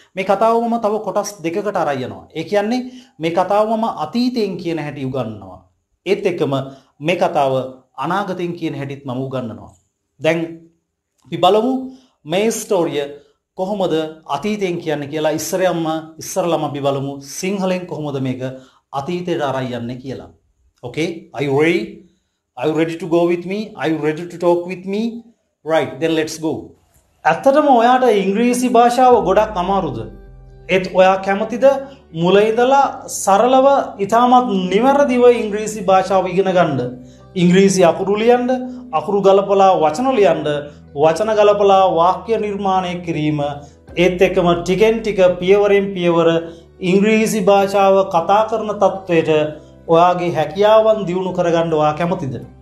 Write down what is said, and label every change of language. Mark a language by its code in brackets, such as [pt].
[si] මේ කතාව මම තව කොටස් දෙකකට අර අයනවා. ඒ කියන්නේ මේ කතාව මම අතීතයෙන් කියන හැටි උගන්වනවා. ඒත් එක්කම මේ කතාව අනාගතයෙන් කියන හැටිත් මම උගන්වනවා. දැන් අපි බලමු මේ ස්ටෝරිය කොහොමද අතීතයෙන් කියන්නේ කියලා ඉස්සරයම්ම ඉස්සරලම අපි බලමු සිංහලෙන් කොහොමද මේක අතීතයට අරන් යන්නේ කියලා. [en] Okay are you ready? Are you ready to go with me? Are you ready to talk with me? Right, then let's go. [si] ඇත්තටම ඔයාට ඉංග්‍රීසි භාෂාව ගොඩක් අමාරුද? ඒත් ඔයා කැමතිද මුල ඉඳලා සරලව ඉතාමත් නිවැරදිව ඉංග්‍රීසි භාෂාව ඉගෙන ගන්න? ඉංග්‍රීසි අකුරු ලියන්න, අකුරු ගලපලා වචන ලියන්න, වචන ගලපලා වාක්‍ය නිර්මාණය කිරීම, ඒත් එක්කම ටිකෙන් ටික පියවරෙන් පියවර ඉංග්‍රීසි භාෂාව කතා කරන තත්ත්වයට ඔයාගේ හැකියාවන් දියුණු කරගන්න ඔයා කැමතිද?